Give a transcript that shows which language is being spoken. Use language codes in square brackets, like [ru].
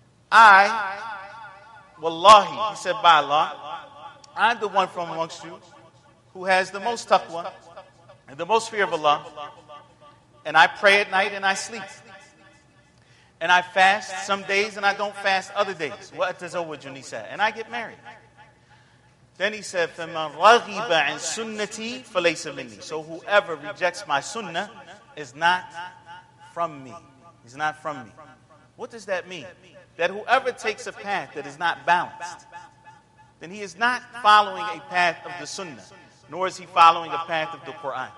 [en] I, wallahi, he said, by Allah, I'm the one from amongst you who has the most taqwa and the most fear of Allah, and I pray at night and I sleep. And I fast some days and I don't fast other days. What does Awajuni say? And I get married. Then he said, [ar] فَمَنْ رَغِبَ عَنْ سُنَّتِي فَلَيْسَ مِنِّي. [en] So whoever rejects my sunnah is not from me. He's not from me. What does that mean? That whoever takes a path that is not balanced, then he is not following a path of the sunnah, nor is he following a path of the Quran.